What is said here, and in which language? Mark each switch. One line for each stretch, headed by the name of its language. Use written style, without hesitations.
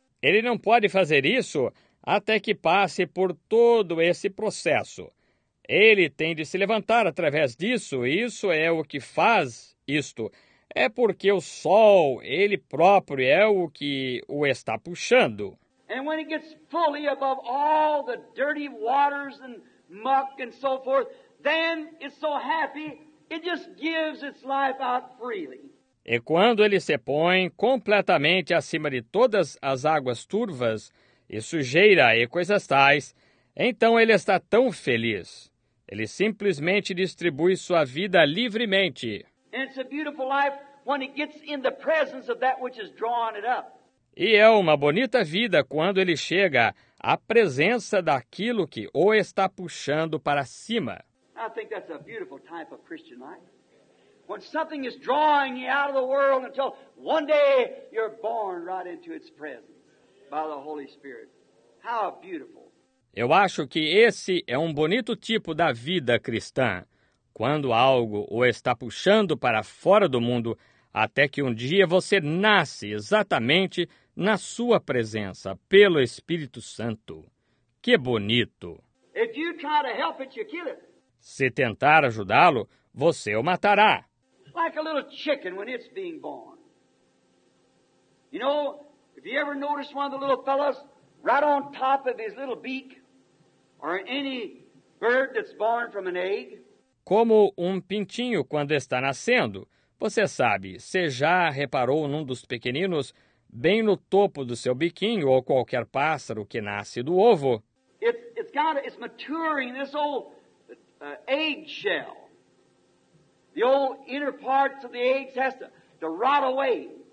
Portuguese: Ele não pode fazer isso até que passe por todo esse processo. Ele tem de se levantar através disso. Isso é o que faz isto. É porque o sol, ele próprio, é o que o está puxando.
English: And when it gets fully above all the dirty waters and muck and so forth, then it's so happy, it just gives its life out freely.
Portuguese: E quando ele se põe completamente acima de todas as águas turvas e sujeira e coisas tais, então ele está tão feliz. Ele simplesmente distribui sua vida livremente.
English: And it's a beautiful life when it gets in the presence of that which is drawing it up.
Portuguese: E é uma bonita vida quando ele chega à presença daquilo que o está puxando para cima.
English: I think that's a beautiful type of Christian life. When something is drawing you out of the world until one day you're born right into its presence by the Holy Spirit. How beautiful.
Portuguese: Eu acho que esse é um bonito tipo da vida cristã. Quando algo o está puxando para fora do mundo, até que um dia você nasce exatamente na sua presença, pelo Espírito Santo. Que bonito!
English: If you try to help it, you kill it.
Portuguese: Se tentar ajudá-lo, você o matará.
English: Like a little chicken when it's being born. You know, if you ever notice one of the little fellows right on top of his little beak, or any bird that's born from an egg,
Portuguese: como um pintinho quando está nascendo. Você sabe, você já reparou num dos pequeninos bem no topo do seu biquinho ou qualquer pássaro que nasce do ovo?
English: It's maturing this old egg shell. The old inner parts of the eggs has to rot away.